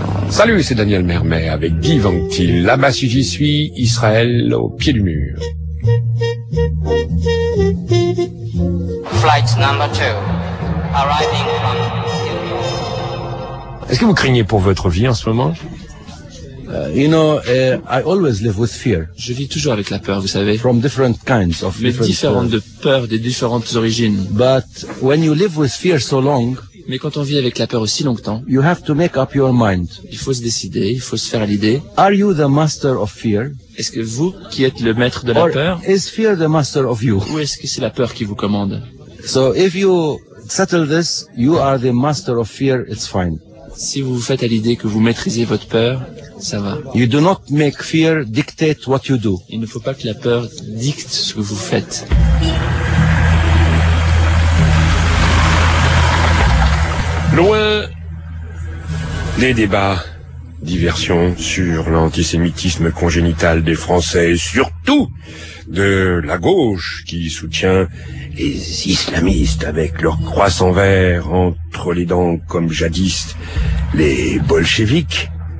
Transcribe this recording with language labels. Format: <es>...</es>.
<fr>Salut, c'est Daniel Mermet avec Guy Vanctil. Là-bas, si j'y suis, Israël au pied du mur.</fr> <en>Flight number 2, arriving from New York.</en> <fr>Est-ce que vous craignez pour votre vie en ce moment?</fr> <en>I always live with fear.</en> <fr>Je vis toujours avec la peur, vous savez.</fr> <en>From different kinds of fear.</en> <fr>Mais différentes de peur, des différentes origines.</fr> <en>But when you live with fear so long.</en> <fr>Mais quand on vit avec la peur aussi longtemps,</fr> <en>you have to make up your mind.</en> <fr>Il faut se décider, il faut se faire l'idée.</fr> <en>Are you the master of fear?</en> <fr>Est-ce que vous qui êtes le maître de</fr> <en>Or</en> <fr>la peur?</fr> <en>Is fear the master of you?</en> <fr>Ou est-ce que c'est la peur qui vous commande?</fr> <en>So if you settle this, you are the master of fear, it's fine.</en> <fr>Si vous vous faites à l'idée que vous maîtrisez votre peur, ça va.</fr> <en>You do not make fear dictate what you do.</en> <fr>Il ne faut pas que la peur dicte ce que vous faites. loin des débats, diversions sur l'antisémitisme congénital des Français, surtout de la gauche qui soutient les islamistes avec leur croissant vert entre les dents comme jadis les bolcheviks.</fr>